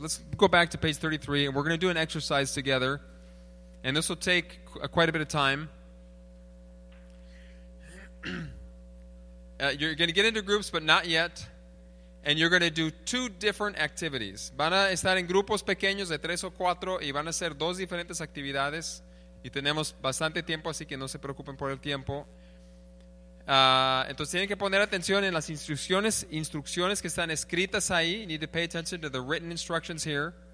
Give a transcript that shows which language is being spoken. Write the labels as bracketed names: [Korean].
[English] Let's go back to page 33 and we're going to do an exercise together. And this will take quite a bit of time. You're going to get into groups, but not yet. And you're going to do two different activities. [Spanish] Van a estar en grupos pequeños de tres o cuatro y van a hacer dos diferentes actividades. Y tenemos bastante tiempo, así que no se preocupen por el tiempo. Entonces tienen que poner atención en las instrucciones que están escritas ahí. [English] You need to pay attention to the written instructions here.